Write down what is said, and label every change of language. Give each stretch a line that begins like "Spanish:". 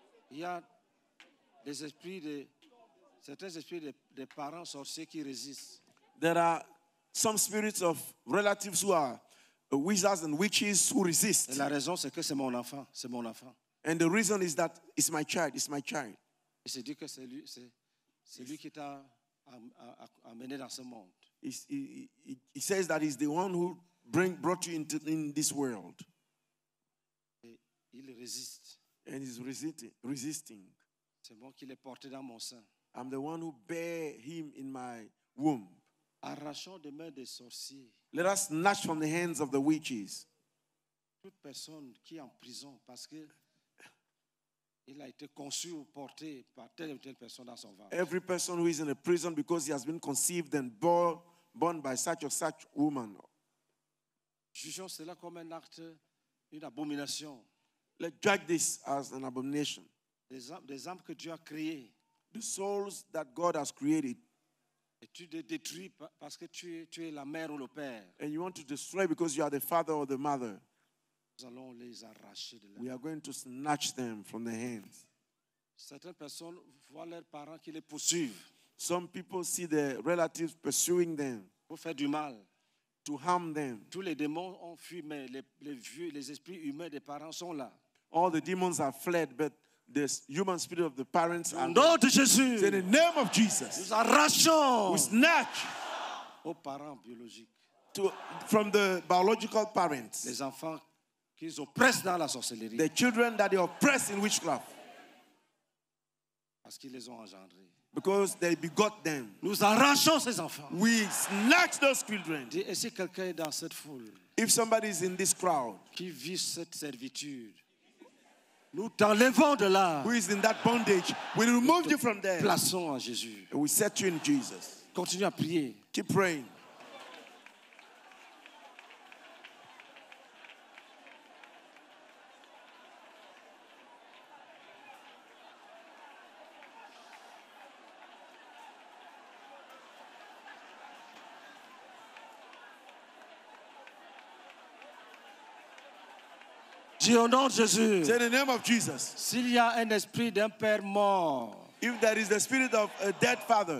French: Il y a des esprits de certains esprits de parents sorciers qui résistent.
English: There are some spirits of relatives who are wizards and witches who resist.
French: Et la raison c'est que c'est mon enfant, c'est mon enfant.
English: And the reason is that it's my child, it's my child.
French: Il se dit que c'est lui qui t'a amené dans ce monde.
English: He says that he's the one who brought you in this world.
French: Il résiste.
English: And he's resisting.
French: C'est moi qui l'ai porté dans mon sein.
English: I'm the one who bear him in my womb.
French: Arrachons des mains des sorciers.
English: Let us snatch from the hands of the witches.
French: Toute personne qui est en prison parce que il a été conçu ou porté par telle ou telle personne dans son ventre.
English: Every person who is in a prison because he has been conceived and born by such or such woman.
French: Jugeons cela comme un acte, une abomination.
English: Let's judge this as an abomination.
French: Des âmes que Dieu a créées.
English: The souls that God has created.
French: Et tu les détruis parce que tu es la mère ou le père.
English: And you want to destroy because you are the father or the mother.
French: Nous allons les arracher de là.
English: We are going to snatch them from the hands.
French: Certaines personnes voient leurs parents qui les poursuivent.
English: Some people see their relatives pursuing them.
French: Pour faire du mal.
English: To harm them.
French: Tous les démons ont fui, mais les vieux, les esprits humains des parents sont là.
English: All the demons have fled, but the human spirit of the parents are.
French: Nom de Jésus.
English: In the name of Jesus.
French: Nous arrachons.
English: We snatch.
French: Aux parents biologiques.
English: From the biological parents.
French: Les enfants qu'ils oppressent dans la sorcellerie.
English: The children that they oppress in witchcraft.
French: Parce qu'ils les ont engendrés.
English: Because they begot them.
French: Nous arrachons ces enfants.
English: We snatch those children.
French: Et si quelqu'un est dans cette foule,
English: if somebody is in this crowd,
French: qui vit cette servitude, nous t'enlevons de là.
English: Who is in that bondage, we remove you from there.
French: Plaçons en Jésus.
English: And we set you in Jesus.
French: Continue à prier.
English: Keep praying.
French: Dis au nom de Jésus.
English: Say the name of Jesus.
French: S'il y a un esprit d'un père mort,
English: if there is the spirit of a dead father,